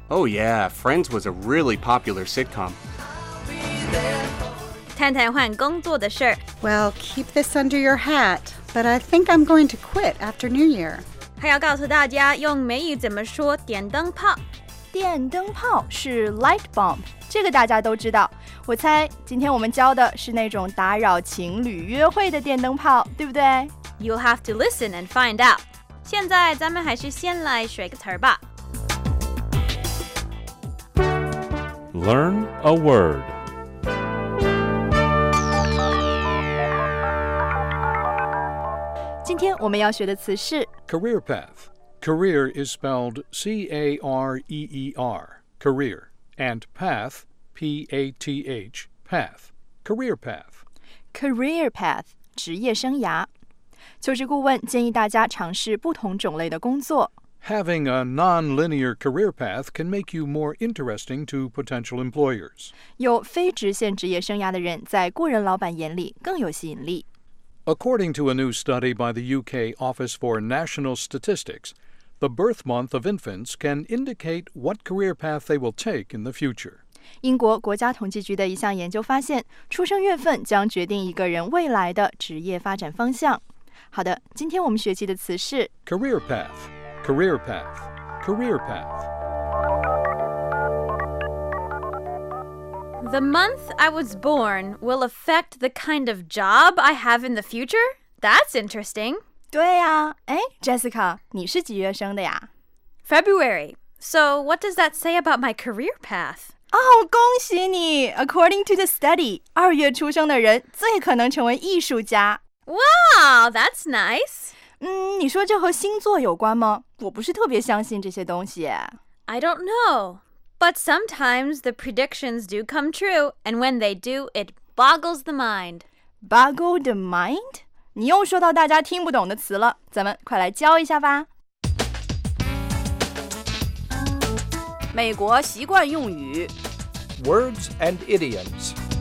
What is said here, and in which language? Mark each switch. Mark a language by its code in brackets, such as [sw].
[en] Oh yeah, Friends was a really popular sitcom. [zh] 谈谈换工作的事。 [en] Well, keep this under your hat, but I think I'm going to quit after New Year. [zh] 还要告诉大家用美语怎么说电灯泡。电灯泡是 light bulb, 这个大家都知道。我猜今天我们教的是那种打扰情侣约会的电灯泡，对不对？ [en] You'll have to listen and find out. [zh] 现在咱们还是先来学个词吧。 [en] Learn a word. [zh] Today 我们要学的词是 [en] career path. Career is spelled C-A-R-E-E-R, career, and path, P-A-T-H, path, career path. [zh] Career path, 职业生涯。求职顾问建议大家尝试不同种类的工作。 [en] Having a non-linear career path can make you more interesting to potential employers. [zh] 有非直线职业生涯的人在雇人老板眼里更有吸引力。 [en] According to a new study by the UK Office for National Statistics, the birth month of infants can indicate what career path they will take in the future. [zh] 英国国家统计局的一项研究发现，出生月份将决定一个人未来的职业发展方向。好的，今天我们学习的词是 [en] career path, career path, career path. The month I was born will affect the kind of job I have in the future? That's interesting. [zh] 对呀，哎 ，Jessica， 你是几月生的呀 [en] ？February. So what does that say about my career path? [zh] Oh, 恭喜你! [en] According to the study, [zh] 二月出生的人最可能成为艺术家。 [en] Wow, that's nice. [zh] 你说这和星座有关吗? 我不是特别相信这些东西。 [en] I don't know, but sometimes the predictions do come true, and when they do, it boggles the mind. Boggle the mind? [zh] 你又说到大家听不懂的词了,咱们快来教一下吧。美国习惯用语 [en] Words and idioms.